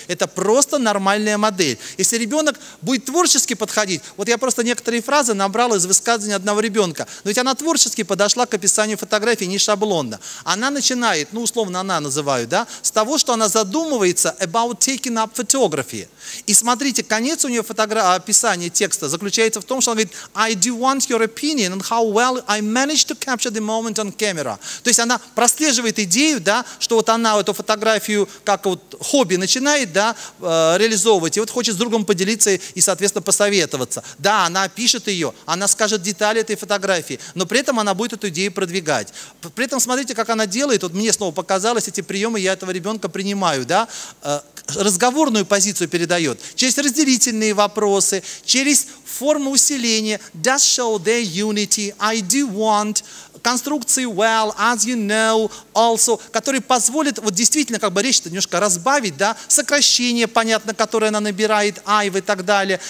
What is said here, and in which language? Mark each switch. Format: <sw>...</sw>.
<ru>Это просто нормальная модель. Если ребенок будет творчески подходить, вот я просто некоторые фразы набрал из высказывания одного ребенка. Но ведь она творчески подошла к описанию фотографии не шаблонно. Она начинает, ну условно она называю, да, с того, что она задумывается</ru> <en>about taking up photography.</en> <ru>И смотрите, конец у нее описания текста заключается в том, что она говорит,</ru> <en>I do want your opinion on how well I managed to capture the moment on camera.</en> <ru>То есть она прослеживает идею, да, что вот она эту фотографию как вот хобби начинает, да, реализовывать, и вот хочет с другом поделиться и, соответственно, посоветоваться. Да, она пишет ее, она скажет детали этой фотографии, но при этом она будет эту идею продвигать. При этом смотрите, как она делает, вот мне снова показалось, эти приемы я этого ребенка принимаю, да, разговорную позицию передает через разделительные вопросы, через форму усиления</ru> <en>does show their unity, I do want,</en> <ru>конструкции</ru> <en>well, as you know, also,</en> <ru>которые позволят, вот действительно, как бы речь-то немножко разбавить, да, сокращение, понятно, которое она набирает, I и так далее.</ru>